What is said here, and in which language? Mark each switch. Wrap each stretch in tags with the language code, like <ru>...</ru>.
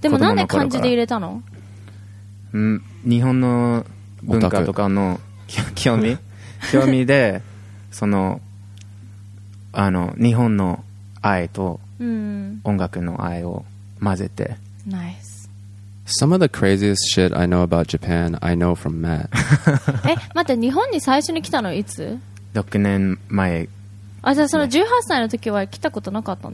<ja>でもなんで漢字で入れたの？日本の文化とかの興味でそのあの日本の愛と音楽の愛を混ぜて、うん、ナイス</ja> <en>Some of the craziest shit I know about Japan I know from Matt</en> <ja>え待って日本に最初に来たのいつ 6年前あじゃあその18歳の時は来たことなかったんだ、</ja>